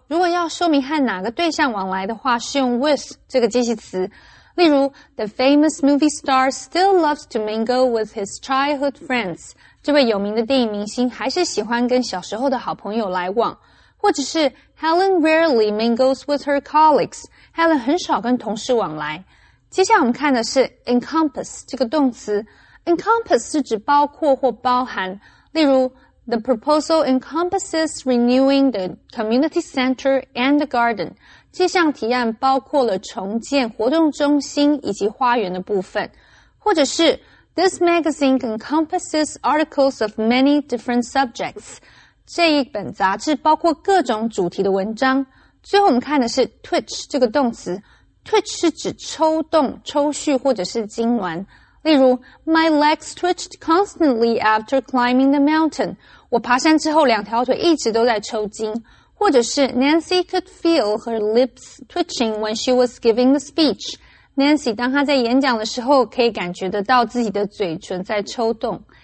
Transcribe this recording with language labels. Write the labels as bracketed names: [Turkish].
[Chinese] 如果要说明和哪个对象往来的话，是用 with 这个介系词。例如 [English] ,the famous movie star still loves to mingle with his childhood friends. [Chinese] 这位有名的电影明星还是喜欢跟小时候的好朋友来往。或者是 [English] ,Helen rarely mingles with her colleagues. [Chinese] Helen 很少跟同事往来。接下来我们看的是 encompass 这个动词。 [English] encompass [Chinese] 是指包括或包含。例如 [English] ,the proposal encompasses renewing the community center and the garden. [Chinese] 这项提案包括了重建活动中心以及花园的部分。或者是 [English] This magazine encompasses articles of many different subjects. [Chinese] 这一本杂志包括各种主题的文章。最后我们看的是 Twitch 这个动词。Twitch 是指抽动、抽蓄或者是痉挛。例如 [English] My legs twitched constantly after climbing the mountain. [Chinese] 我爬山之后两条腿一直都在抽筋。或者是 [English] Nancy could feel her lips twitching when she was giving the speech. [Chinese] Nancy, 当她在演讲的时候可以感觉得到自己的嘴唇在抽动。